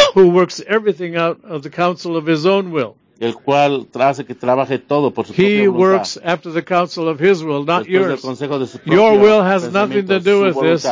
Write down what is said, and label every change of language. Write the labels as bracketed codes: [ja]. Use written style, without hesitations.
[en] Who works everything out of the counsel of his own will. [es] El cual hace que trabaje todo por su [en] he works after the counsel of his will, not [es] después [en] yours. Your will has nothing to do with this.